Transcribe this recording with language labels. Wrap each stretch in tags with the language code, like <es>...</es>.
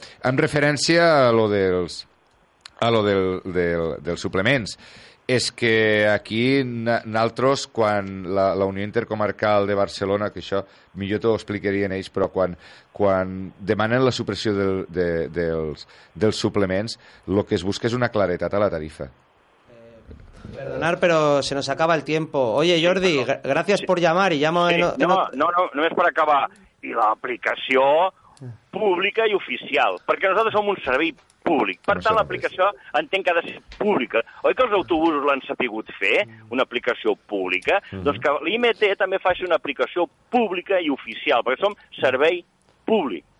<ca>En referència a lo dels... a lo dels suplements. És que aquí nosaltres, quan la Unió Intercomarcal de Barcelona, que això millor t'ho explicarien ells, però quan demanen la supressió dels suplements, el que es busca és una claretat a la tarifa.</ca> <es>Perdonar, pero se nos acaba el tiempo. Oye, Jordi, sí, gracias por llamar y llamo... No, es para acabar.</es> <ca>I l'aplicació pública i oficial, perquè nosaltres som un servei públic. Per tant, l'aplicació entenc que ha de ser pública. Oi que els autobusos l'han sabut fer, una aplicació pública? Mm-hmm. Doncs que l'IMT també faci una aplicació pública i oficial, perquè som servei públic.</ca>